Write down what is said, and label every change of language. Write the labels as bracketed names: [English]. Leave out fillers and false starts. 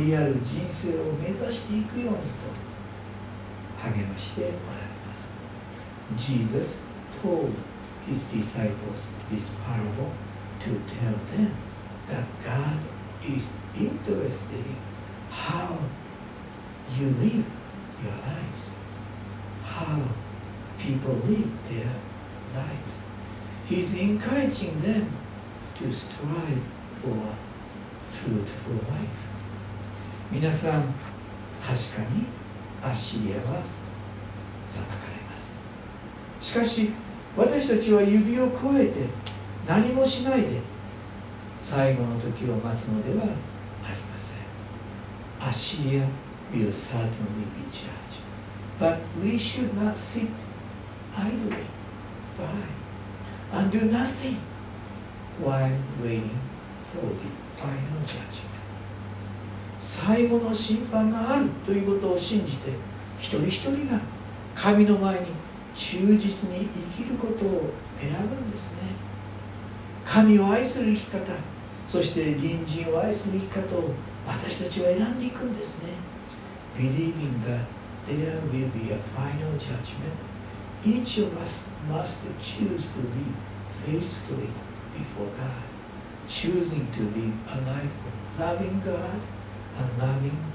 [Japanese] 実りある人生を目指していくようにと励ましておられます。 [English] Jesus told his disciples this parable to tell them that God is interested in how you live your lives, how people live their lives. He's encouraging them to strive for a fruitful life. [Japanese] 皆さん、確かにアッシリアは裁かれます。しかし私たちは指を越えて何もしないで最後の時を待つのではありません。 [English] アッシリア will certainly be judged, but we should not sit idly by and do nothing while waiting for the final judgment. [Japanese] 最後の審判があるということを信じて一人一人が神の前に忠実に生きることを選ぶんですね。神を愛する生き方、そして隣人を愛する生き方を私たちは選んでいくんですね。 [English] Believing that there will be a final judgment, each of us must choose to live faithfully before God, choosing to live a life of loving God and loving our neighbors.